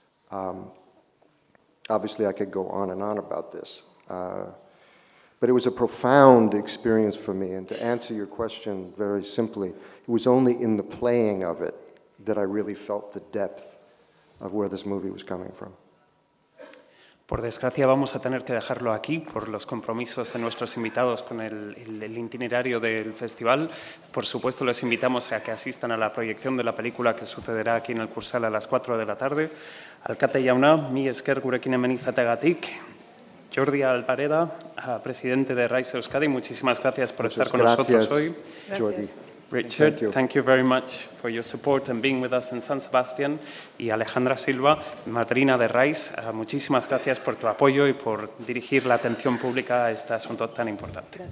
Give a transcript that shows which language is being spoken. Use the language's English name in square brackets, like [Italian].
[English] Obviously, I could go on and on about this, but it was a profound experience for me, and to answer your question very simply, it was only in the playing of it that I really felt the depth of where this movie was coming from. [Spanish] Por desgracia, vamos a tener que dejarlo aquí por los compromisos de nuestros invitados con el itinerario del festival. Por supuesto, les invitamos a que asistan a la proyección de la película que sucederá aquí en el Cursal a las 4 de la tarde. [Basque] Alkate jauna, mi esker gurekin hemen izategatik. [Spanish] Jordi Alvareda, presidente de RISE Euskadi, muchísimas gracias por Muchas estar gracias, con nosotros hoy. Jordi. [English] Richard, thank you very much for your support and being with us in San Sebastián. [Spanish] Y Alejandra Silva, madrina de RISE, muchísimas gracias por tu apoyo y por dirigir la atención pública a este asunto tan importante.